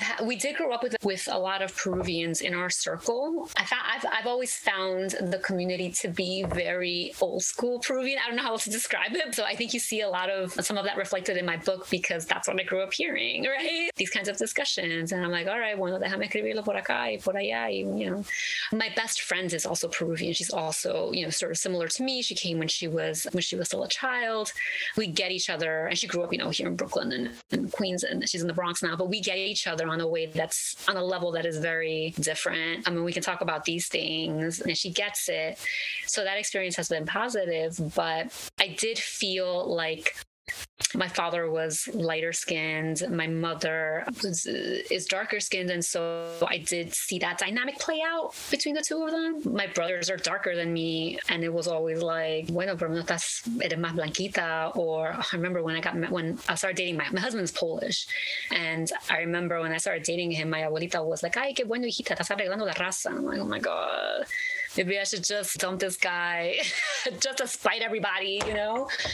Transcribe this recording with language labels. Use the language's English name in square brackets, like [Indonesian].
[English] We did grow up with a lot of Peruvians in our circle. I've always found the community to be very old school Peruvian. I don't know how else to describe it. So I think you see some of that reflected in my book, because that's what I grew up hearing, right? These kinds of discussions. And I'm like, all right, [Spanish] bueno, déjame escribirlo por acá y por allá. [English] Y, you know, my best friend is also Peruvian. She's also, you know, sort of similar to me. She came when she was still a child. We get each other, and she grew up, you know, here in Brooklyn and in Queens, and she's in the Bronx now, but we get each other on a way that's on a level that is very different. I mean, we can talk about these things, and she gets it. So that experience has been positive, but I did feel like my father was lighter skinned. My mother is darker skinned. And so I did see that dynamic play out between the two of them. My brothers are darker than me. And it was always like, [Spanish] bueno, pero no estás, eres más blanquita. [English] Or I remember when I started dating, my husband's Polish. And I remember when I started dating him, my abuelita was like, [Spanish] ay, qué bueno, hijita, estás arreglando la raza. [English] I'm like, oh my God. Maybe I should just dump this guy just to spite everybody, you know?